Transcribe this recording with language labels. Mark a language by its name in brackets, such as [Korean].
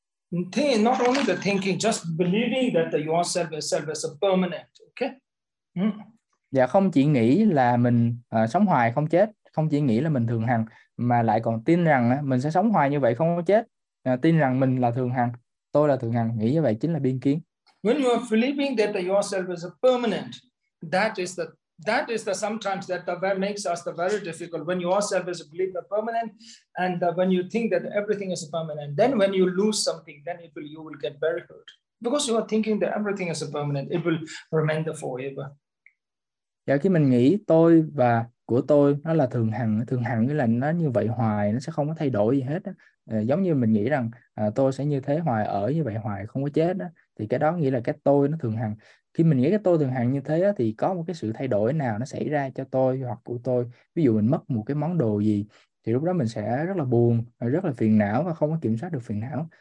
[English] Not only the thinking, just believing that the yourself itself is a permanent, okay? [Vietnamese] Dạ không chỉ nghĩ là mình sống hoài không chết, không chỉ nghĩ là mình thường hằng mà lại còn tin rằng mình sẽ sống hoài như vậy không có chết, tin rằng mình là thường hằng, tôi là thường hằng, nghĩ như vậy chính là biên kiến. [English] When you are believing that the yourself is a permanent, that is the sometimes that the very makes us the very difficult. When yourself is believe the permanent, and the, when you think that everything is permanent, then when you lose something, then it will, you will get very hurt because you are thinking that everything is permanent. It will remain there forever. [Vietnamese] Dạ, khi mình nghĩ tôi và của tôi nó là thường hằng nghĩa là nó như vậy hoài, nó sẽ không có thay đổi gì hết. Giống như mình nghĩ rằng tôi sẽ như thế hoài, ở như vậy hoài, không có chết đó, thì cái đó nghĩa là cái tôi nó thường hằng. Khi mình nghĩ cái tôi thường hằng như thế đó, thì có một cái sự thay đổi nào nó xảy ra cho tôi hoặc của tôi, ví dụ mình mất một cái món đồ gì, thì lúc đó mình sẽ rất là buồn, rất là phiền não và không có kiểm soát được phiền não.